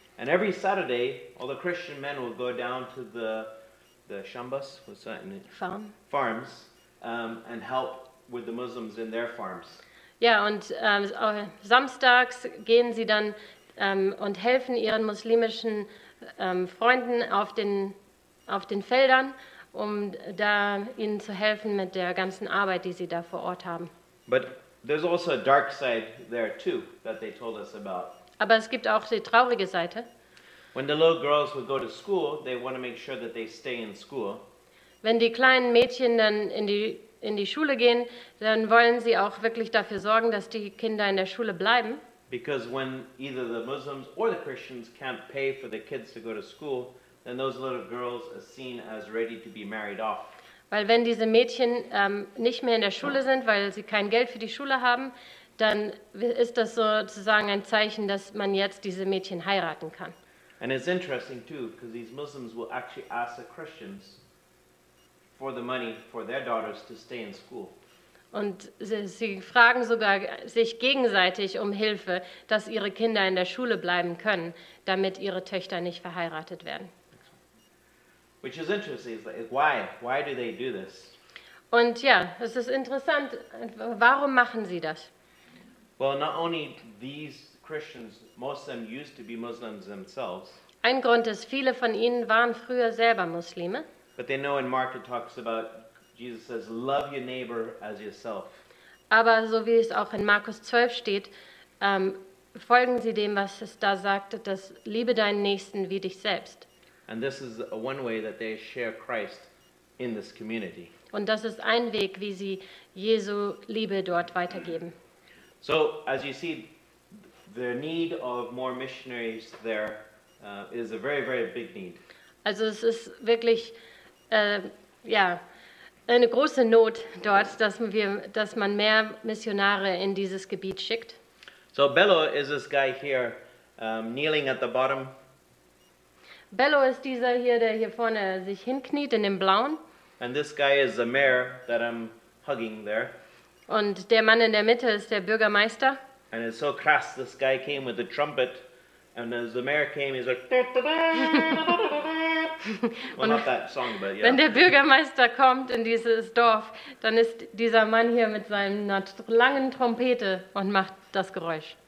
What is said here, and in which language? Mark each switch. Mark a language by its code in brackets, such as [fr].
[en] And every Saturday, all the Christian men will go down to the Shambas, what's that in it? Farm. Farms, and help with the Muslims in their farms. [de] Ja, und samstags gehen sie dann und helfen ihren muslimischen Freunden auf den Feldern, um da ihnen zu helfen mit der ganzen Arbeit, die sie da vor Ort haben. [en] But there's also a dark side there too that they told us about. [de] Aber es gibt auch die traurige Seite. [en] When the little girls would go to school, they want to make sure that they stay in school. [de] Wenn die kleinen Mädchen dann in die Schule gehen, dann wollen sie auch wirklich dafür sorgen, dass die Kinder in der Schule bleiben. [en] Because when either the Muslims or the Christians can't pay for the kids to go to school, then those little girls are seen as ready to be married off. [de] Weil wenn diese Mädchen nicht mehr in der Schule sind, weil sie kein Geld für die Schule haben, dann ist das sozusagen ein Zeichen, dass man jetzt diese Mädchen heiraten kann. [en] And it's interesting too, because these Muslims will actually ask the Christians for the money for their daughters to stay in school. [de] Und sie fragen sogar sich gegenseitig um Hilfe, dass ihre Kinder in der Schule bleiben können, damit ihre Töchter nicht verheiratet werden. [en] Which is interesting. Why do they do this? [de] Und ja, es ist interessant. Warum machen sie das? [en] Well, not only these Christians, most of them used to be Muslims themselves. [de] Ein Grund ist, viele von ihnen waren früher selber Muslime. [en] But they know in Mark it talks about Jesus says, love your neighbor as yourself. [de] Aber so wie es auch in Markus 12 steht, folgen sie dem, was es da sagt, dass liebe deinen Nächsten wie dich selbst. [en] And this is one way that they share Christ in this community. [de] Und das ist ein Weg, wie sie Jesu Liebe dort weitergeben. [en] So, as you see, the need of more missionaries there is a very, very big need. [de] Also es ist wirklich, eine große Not dort, dass man mehr Missionare in dieses Gebiet schickt. [en] So Bello is this guy here, kneeling at the bottom. [de] Bello ist dieser hier, der hier vorne sich hinkniet in dem Blauen. [en] And this guy is the mayor that I'm hugging there. [de] Und der Mann in der Mitte ist der Bürgermeister. [en] And it's so krass, this guy came with a trumpet, and as the mayor came, he's like, da-da-da! Well, not that song, but yeah. [de] Wenn der Bürgermeister kommt in dieses Dorf, dann ist dieser Mann hier mit seinem langen Trompete und macht das Geräusch.